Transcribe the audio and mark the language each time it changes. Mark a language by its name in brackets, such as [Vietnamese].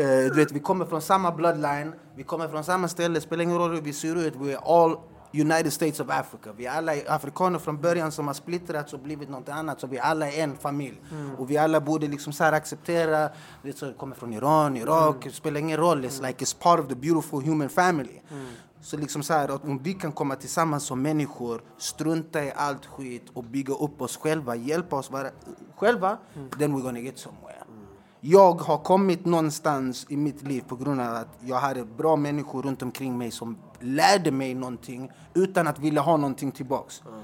[Swedish] Du vet, vi kommer från samma bloodline, vi kommer från samma ställe, det spelar ingen roll hur vi ser ut, [English] we're all United States of Africa. [Swedish] Vi är alla afrikaner från början som har splittrats och blivit något annat. Så vi alla är en familj. Och vi alla borde liksom så här acceptera. Det kommer från Iran, Irak. Det spelar ingen roll. [English] It's like it's part of the beautiful human family. [Swedish] Så liksom så här, att om vi kan komma tillsammans som människor, strunta i allt skit och bygga upp oss själva, hjälpa oss vara själva, [English] then we're gonna get somewhere. [Swedish] Jag har kommit någonstans i mitt liv på grund av att jag hade bra människor runt omkring mig som lärde mig någonting utan att vilja ha någonting tillbaks.